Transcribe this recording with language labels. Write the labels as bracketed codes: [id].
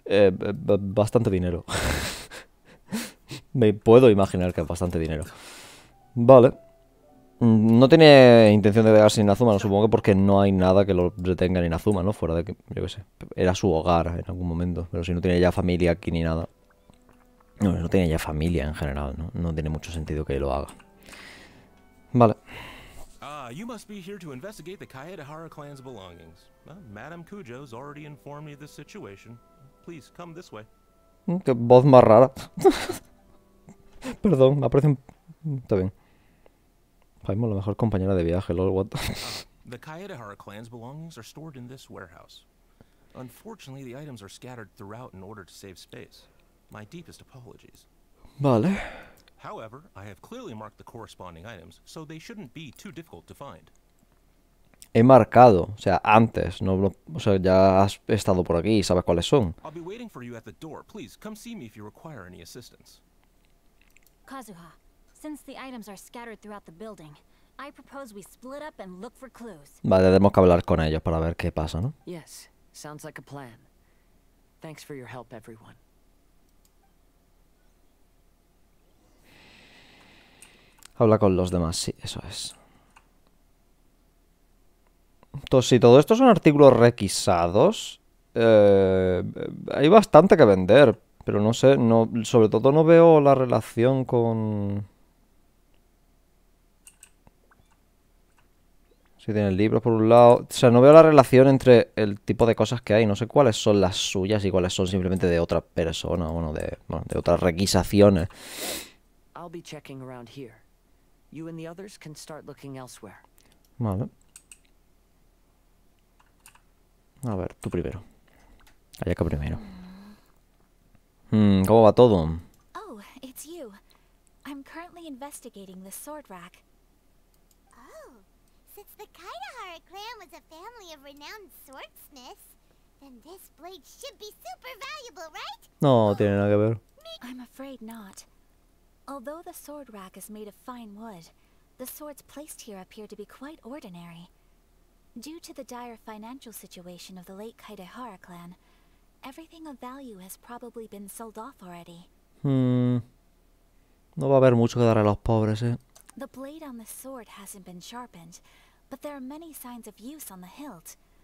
[es] Bastante dinero. Me puedo imaginar que es bastante dinero. Vale. No tiene intención de quedarse en Inazuma, ¿no? Supongo que porque no hay nada que lo retenga en Inazuma, ¿no? Fuera de que, yo qué sé, era su hogar en algún momento. Pero si no tiene ya familia aquí ni nada. No, no tiene ya familia en general, ¿no? No tiene mucho sentido que lo haga. Vale. [en] You must be here to investigate the Kaedahara clan's belongings. Madame Cujo's already informed me of the situation. Please, come this way. [es] Qué voz más rara. Perdón, me aparece un... Está bien. Paimo, la mejor compañera de viaje, [en] lol, what? The Kaedahara clan's belongings are stored in this warehouse. Unfortunately, the items are scattered throughout in order to save space. My deepest apologies. [es] Vale. [en] However, I have clearly marked the corresponding items, so they shouldn't be too difficult to find. [es] He marcado, o sea, antes, no, no, o sea, ya has estado por aquí y sabes cuáles son. [en] I'll be waiting for you at the door. Please, come see me if you require any assistance. Kazuha, since the items are scattered throughout the building, I propose we split up and look for clues. [es] Vale, tenemos que hablar con ellos para ver qué pasa, ¿no? [en] Yes, sounds like a plan. Thanks for your help, everyone. [es] Habla con los demás, sí, eso es. Entonces, si todo esto son artículos requisados, hay bastante que vender. Pero no sé, no, sobre todo no veo la relación con... Si tienen libros por un lado... O sea, no veo la relación entre el tipo de cosas que hay. No sé cuáles son las suyas y cuáles son simplemente de otra persona. Bueno, de, bueno, de otras requisaciones. [en] I'll be checking around here. You and the others can start looking elsewhere. [es] Vale. A ver, tú primero. Allá que primero. ¿Cómo va todo? [en] Oh, it's you. I'm currently investigating the sword rack. Oh, since the Kaedahara clan was a family of renowned swordsmiths, then this blade should be super valuable, right? [es] No, tiene nada que ver. [en] I'm afraid not. Although the sword rack is made of fine wood, the swords placed here appear to be quite ordinary. Due to the dire financial situation of the late Kaedahara clan, everything of value has probably been sold off already. [es] No va a haber mucho que dar a los pobres, eh. [en] The blade on the sword hasn't been sharpened, but there are many signs of use on the hilt.